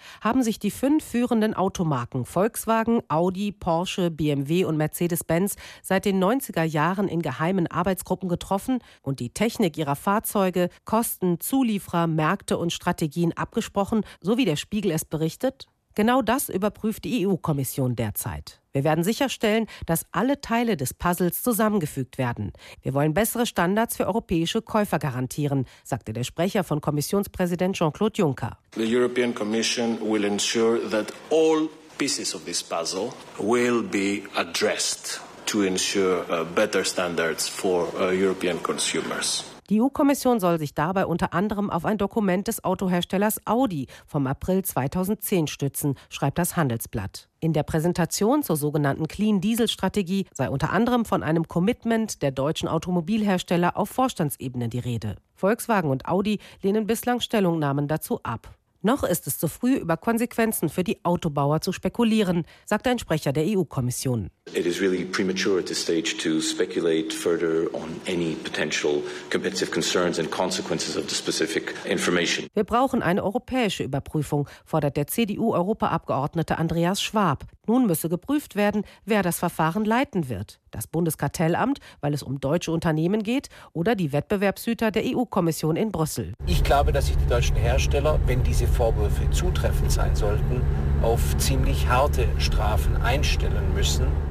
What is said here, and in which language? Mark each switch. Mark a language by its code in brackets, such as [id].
[de] Haben sich die 5 führenden Automarken Volkswagen, Audi, Porsche, BMW und Mercedes-Benz seit den 90er Jahren in geheimen Arbeitsgruppen getroffen und die Technik ihrer Fahrzeuge, Kosten, Zulieferer, Märkte und Strategien abgesprochen, so wie der Spiegel es berichtet? Genau das überprüft die EU-Kommission derzeit. Wir werden sicherstellen, dass alle Teile des Puzzles zusammengefügt werden. Wir wollen bessere Standards für europäische Käufer garantieren, sagte der Sprecher von Kommissionspräsident Jean-Claude Juncker. [en] The European Commission will ensure that all pieces of this puzzle will be addressed to ensure better standards for European consumers. [de] Die EU-Kommission soll sich dabei unter anderem auf ein Dokument des Autoherstellers Audi vom April 2010 stützen, schreibt das Handelsblatt. In der Präsentation zur sogenannten Clean-Diesel-Strategie sei unter anderem von einem Commitment der deutschen Automobilhersteller auf Vorstandsebene die Rede. Volkswagen und Audi lehnen bislang Stellungnahmen dazu ab. Noch ist es zu früh, über Konsequenzen für die Autobauer zu spekulieren, sagt ein Sprecher der EU-Kommission. [en] It is really premature at this stage to speculate further on any potential competitive concerns and consequences of the specific information. [de] Wir brauchen eine europäische Überprüfung, fordert der CDU-Europaabgeordnete Andreas Schwab. Nun müsse geprüft werden, wer das Verfahren leiten wird. Das Bundeskartellamt, weil es um deutsche Unternehmen geht, oder die Wettbewerbshüter der EU-Kommission in Brüssel. Ich glaube, dass sich die deutschen Hersteller, wenn diese Vorwürfe zutreffend sein sollten, auf ziemlich harte Strafen einstellen müssen,